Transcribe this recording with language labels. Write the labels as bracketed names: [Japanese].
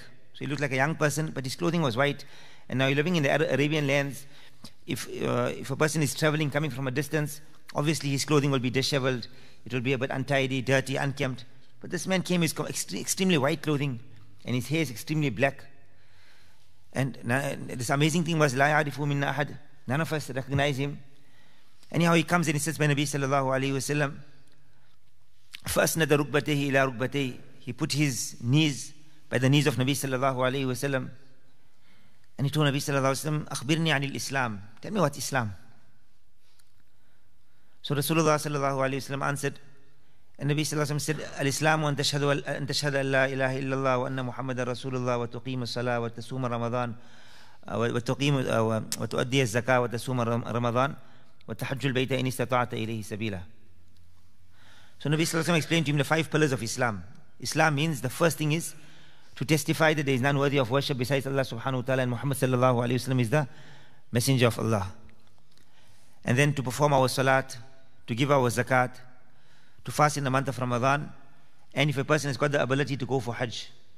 [English] So he looked like a young person, but his clothing was white. And now you're living in the Arabian lands. If a person is traveling, coming from a distance, obviously his clothing will be disheveled. It will be a bit untidy, dirty, unkempt. But this man came with extremely white clothing, and his hair is extremely black. And this amazing thing was, [Arabic] لا يعرفه من أحد. [English] None of us recognize him. Anyhow, he comes and he says, by Nabi sallallahu alayhi wa sallam, [Arabic] فَأَسْنَدَ رُكْبَتَيْهِ إِلَىٰ رُكْبَتَيْهِ. [English] He put his knees by the knees of Nabi sallallahu alayhi wa sallam. And he told Nabi sallallahu alayhi wa sallam, [Arabic] أَخْبِرْنِي عَنِ الْإِسْلَامِ. [English] Tell me what Islam. So Rasulullah sallallahu alayhi wa sallam answered, [Arabic] النبي صلى الله عليه وسلم [English] said, [Arabic] الإسلام أن تشهد أن لا إله إلا الله وأن محمد رسول الله وتقيم الصلاة وتصوم رمضان وتقيم وتؤدي الزكاة وتصوم رمضان وتحج البيت إن استطعت إليه سبيلا. [English] So Nabi Sallallahu Alaihi Wasallam explained to him the five pillars of Islam. Islam means the first thing is to testify that there is none worthy of worship besides Allah subhanahu wa ta'ala and Muhammad sallallahu alayhi wa sallam is the messenger of Allah. And then to perform our salat, to give our zakat, to fast in the month of Ramadan, and if a person has got the ability to go for hajj.